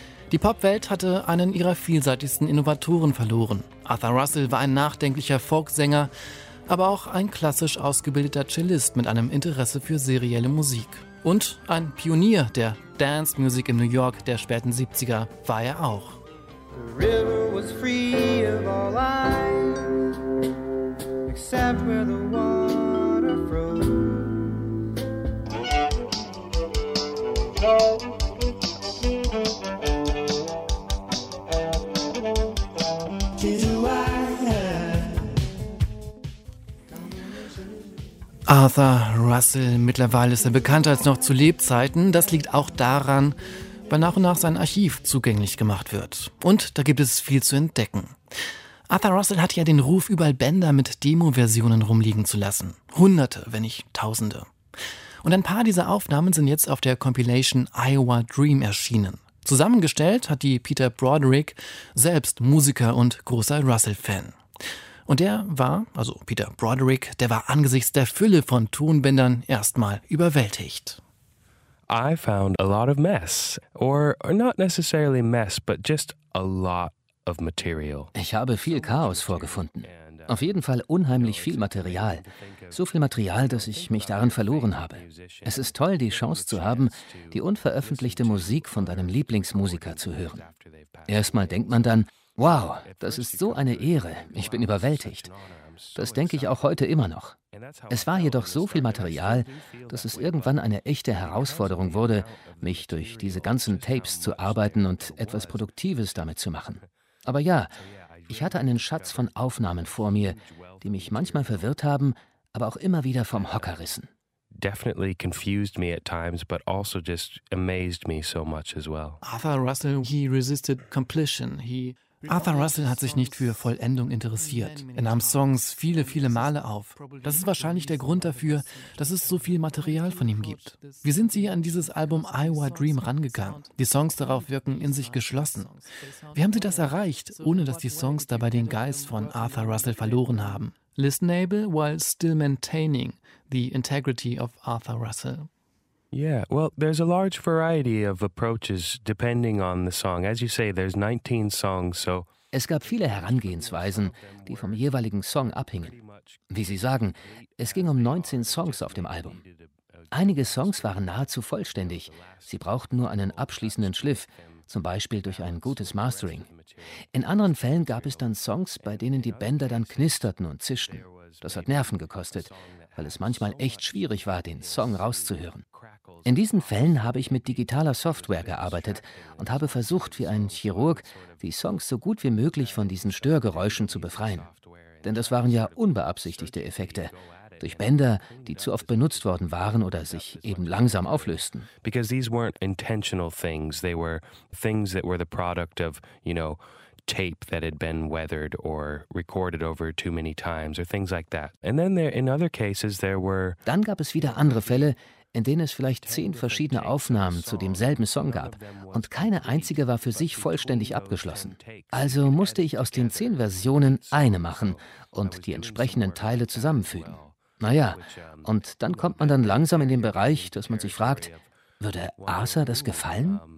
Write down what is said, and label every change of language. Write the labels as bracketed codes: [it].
[de] Die Popwelt hatte einen ihrer vielseitigsten Innovatoren verloren. Arthur Russell war ein nachdenklicher Folksänger, aber auch ein klassisch ausgebildeter Cellist mit einem Interesse für serielle Musik. Und ein Pionier der Dance-Music in New York der späten 70er war er auch. [en] The river was free of all ice, except where the water froze. [de] Arthur Russell, mittlerweile ist er bekannter als noch zu Lebzeiten. Das liegt auch daran, weil nach und nach sein Archiv zugänglich gemacht wird. Und da gibt es viel zu entdecken. Arthur Russell hat ja den Ruf, überall Bänder mit Demo-Versionen rumliegen zu lassen. Hunderte, wenn nicht Tausende. Und ein paar dieser Aufnahmen sind jetzt auf der Compilation Iowa Dream erschienen. Zusammengestellt hat die Peter Broderick, selbst Musiker und großer Russell-Fan. Und der war, also Peter Broderick, der war angesichts der Fülle von Tonbändern erstmal überwältigt. [en] I found a lot of mess. Or not necessarily mess, but just a lot of material. [de] Ich habe viel Chaos vorgefunden. Auf jeden Fall unheimlich viel Material. So viel Material, dass ich mich darin verloren habe. Es ist toll, die Chance zu haben, die unveröffentlichte Musik von deinem Lieblingsmusiker zu hören. Erstmal denkt man dann, wow, das ist so eine Ehre, ich bin überwältigt. Das denke ich auch heute immer noch. Es war jedoch so viel Material, dass es irgendwann eine echte Herausforderung wurde, mich durch diese ganzen Tapes zu arbeiten und etwas Produktives damit zu machen. Aber ja, ich hatte einen Schatz von Aufnahmen vor mir, die mich manchmal verwirrt haben, aber auch immer wieder vom Hocker rissen. [en] Definitely confused me at times, but also just amazed me so much as well. Arthur Russell, he resisted completion. [de] Arthur Russell hat sich nicht für Vollendung interessiert. Er nahm Songs viele, viele Male auf. Das ist wahrscheinlich der Grund dafür, dass es so viel Material von ihm gibt. Wie sind Sie an dieses Album Iowa Dream rangegangen? Die Songs darauf wirken in sich geschlossen. Wie haben Sie das erreicht, ohne dass die Songs dabei den Geist von Arthur Russell verloren haben? [en] Listenable while still maintaining the integrity of Arthur Russell. Yeah, well, there's a large variety of approaches depending on the song. As you say, there's 19 songs, so... [de] Es gab viele Herangehensweisen, die vom jeweiligen Song abhingen. Wie Sie sagen, es ging um 19 Songs auf dem Album. Einige Songs waren nahezu vollständig. Sie brauchten nur einen abschließenden Schliff, zum Beispiel durch ein gutes Mastering. In anderen Fällen gab es dann Songs, bei denen die Bänder dann knisterten und zischten. Das hat Nerven gekostet, weil es manchmal echt schwierig war, den Song rauszuhören. In diesen Fällen habe ich mit digitaler Software gearbeitet und habe versucht, wie ein Chirurg, die Songs so gut wie möglich von diesen Störgeräuschen zu befreien. Denn das waren ja unbeabsichtigte Effekte, durch Bänder, die zu oft benutzt worden waren oder sich eben langsam auflösten. [en] Because these weren't intentional things, they were things that were the product of, you know, tape that had been weathered or recorded over too many times or things like that. And then there, in other cases there were... [de] Dann gab es wieder andere Fälle, in denen es vielleicht 10 verschiedene Aufnahmen zu demselben Song gab und keine einzige war für sich vollständig abgeschlossen. Also musste ich aus den 10 Versionen eine machen und die entsprechenden Teile zusammenfügen. Naja, und dann kommt man dann langsam in den Bereich, dass man sich fragt, würde Arthur das gefallen?